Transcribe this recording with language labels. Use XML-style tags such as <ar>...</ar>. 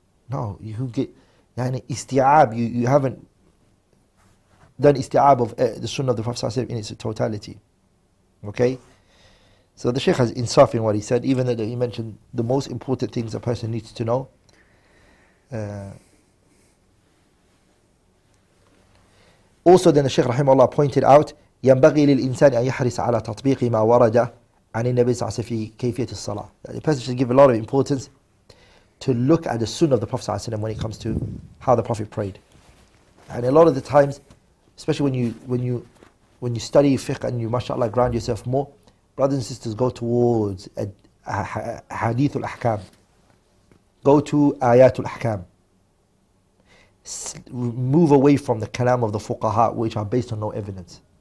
<en>No, you get, yani isti'ab, you haven't done isti'ab of the sunnah of the Prophet in its totality. Okay? So the Shaykh has insaf in what he said, even though he mentioned the most important things a person needs to know. Also then the Shaykh rahimahullah pointed out,</en> <ar>ينبغي للإنسان أن يحرص على تطبيق ما ورد عن النبي صلى الله عليه وسلم في كيفية الصلاة.</ar> <en>The person should give a lot of importance to look at the sunnah of the Prophet صلى الله عليه وسلم when it comes to how the Prophet prayed. And a lot of the times, especially when you study fiqh and you mashallah ground yourself more, brothers and sisters go towards hadithul ahkam, go to ayatul ahkam, move away from the kalam of the fuqaha, which are based on no evidence.</en>